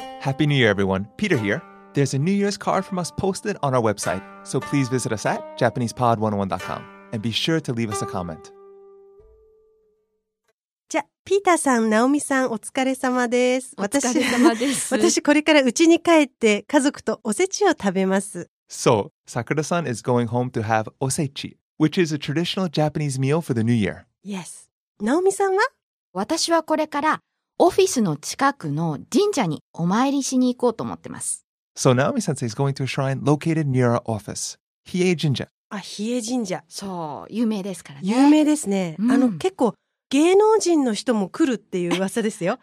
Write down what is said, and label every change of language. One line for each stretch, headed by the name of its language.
English: Happy New Year everyone. Peter here. There's a New Year's card from us posted on our website. So please visit us at JapanesePod101.com and be sure to leave us a comment.
Japanese: じゃ、ピーターさん、ナオミさん、お疲れ様です。お疲れ様です。私これから家に帰って家族とおせちを食べます。
English: So, Sakura-san is going home to have osechi, which is a traditional Japanese meal for the New Year.
Japanese: Yes. ナオミさんは？私はこれからオフィスの近くの神社にお参りしに行こうと思ってます。
English: So, Naomi-sensei is going to a shrine located near our office. Hiei 神社。
Japanese: あ、Hiei 神社。そう、有名ですからね。有名ですね。うん、結構芸能人の人も来るっていう噂ですよ。